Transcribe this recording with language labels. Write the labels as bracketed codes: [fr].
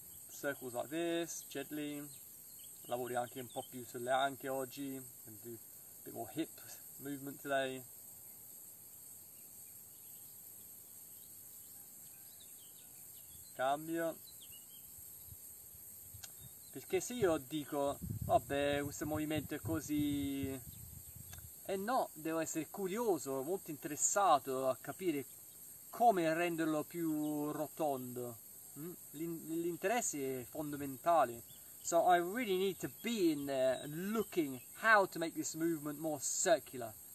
[en] Circles like this, gently. [it] Lavori anche un po' più sulle anche oggi. [en] And do a bit more hip movement today. [it] Cambio. Perché se io dico, vabbè, questo movimento è così. No, devo essere curioso, molto interessato a capire come renderlo più rotondo. L'interesse è fondamentale. [en] So I really need to be in there looking how to make this movement more circular.